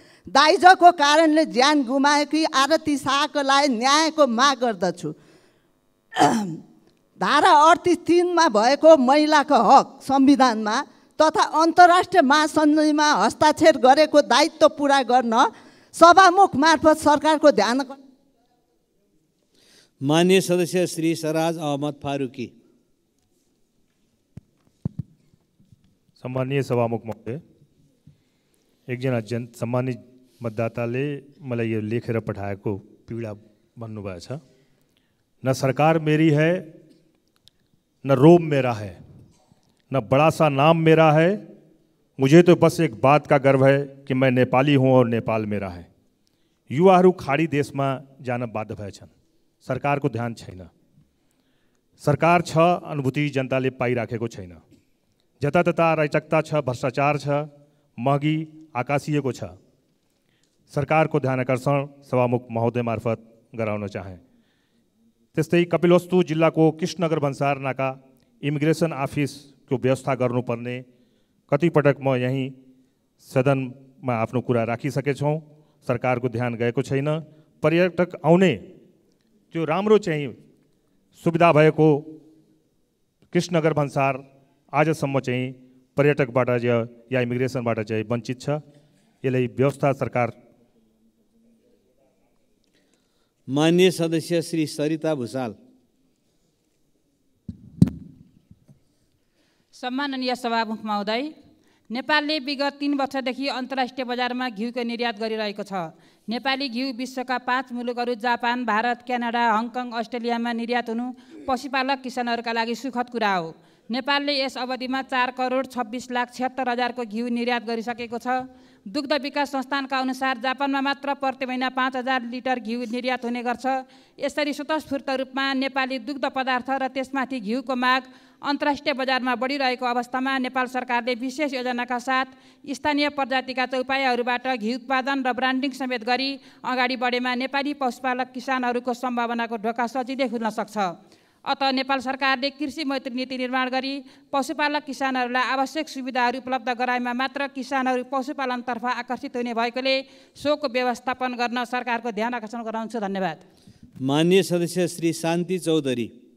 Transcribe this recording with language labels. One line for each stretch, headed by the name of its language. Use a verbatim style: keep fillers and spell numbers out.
Nepali: दाइजोको कारणले ज्यान गुमाएकी आरती शाहको लागि न्यायको माग गर्दछु। धारा अडतिस तिनमा भएको महिलाको हक संविधानमा तथा अन्तर्राष्ट्रिय महासन्धिमा हस्ताक्षर गरेको दायित्व पुरा गर्न सभामुख मार्फत सरकारको ध्यान। मान्य सदस्य श्री सराज अहमद फारुकी। सम्माननीय सभामुख महोदय, एकजना जन सम्मानित मतदाताले मलाई यो लेखेर पठाएको पीडा भन्नुभएको छ।
Hindi: न सरकार मेरी है, न रोब मेरा है, न बड़ा सा नाम मेरा है, मुझे तो बस एक बात का गर्व है कि मैं नेपाली हूँ और नेपाल मेरा है।
Nepali: युवाहरू खाडी देशमा जान बाध्य भएछन्, सरकारको ध्यान छैन। सरकार छ अनुभूति जनताले पाइराखेको छैन। जतातता रैचकता छ, भ्रष्टाचार छ, महगी आकाशिएको छ। सरकारको ध्यान आकर्षण सभामुख महोदय मार्फत गराउन चाहे। त्यस्तै कपिलवस्तु जिल्लाको कृष्णनगर भन्सार नाका इमिग्रेसन अफिसको व्यवस्था गर्नुपर्ने कतिपटक म यहीँ सदनमा आफ्नो कुरा राखिसकेछौँ, सरकारको ध्यान गएको छैन। पर्यटक आउने त्यो राम्रो चाहिँ सुविधा भएको कृष्णनगर भन्सार आजसम्म चाहिँ पर्यटकबाट या इमिग्रेसनबाट चाहिँ वञ्चित छ। यसलाई व्यवस्था सरकार। मान्य सदस्य श्री सरिता भुसाल। सम्माननीय सभामुख महोदय, नेपालले विगत तीन वर्षदेखि अन्तर्राष्ट्रिय बजारमा घिउको निर्यात गरिरहेको छ। नेपाली घिउ विश्वका पाँच मुलुकहरू जापान, भारत, क्यानाडा, हङकङ, अस्ट्रेलियामा निर्यात हुनु पशुपालक किसानहरूका लागि सुखद कुरा हो। नेपालले यस अवधिमा चार करोड छब्बिस लाख छिहत्तर हजारको घिउ निर्यात गरिसकेको छ। दुग्ध विकास संस्थानका अनुसार जापानमा मात्र प्रति महिना पाँच हजार लिटर घिउ निर्यात हुने गर्छ। यसरी स्वतस्फूर्त रूपमा नेपाली दुग्ध पदार्थ र त्यसमाथि घिउको माग अन्तर्राष्ट्रिय बजारमा बढिरहेको अवस्थामा नेपाल सरकारले विशेष योजनाका साथ स्थानीय प्रजातिका चौपायाहरूबाट घिउ उत्पादन र ब्रान्डिङ समेत गरी अगाडि बढेमा नेपाली पशुपालक किसानहरूको सम्भावनाको ढोका सजिलै खुल्न सक्छ। अतः नेपाल सरकारले कृषि मैत्री नीति निर्माण गरी पशुपालक किसानहरूलाई आवश्यक सुविधाहरू उपलब्ध गराएमा मात्र किसानहरू पशुपालनतर्फ आकर्षित हुने भएकोले सोको व्यवस्थापन गर्न सरकारको ध्यान आकर्षण गराउँछु। धन्यवाद। माननीय सदस्य श्री शान्ति चौधरी।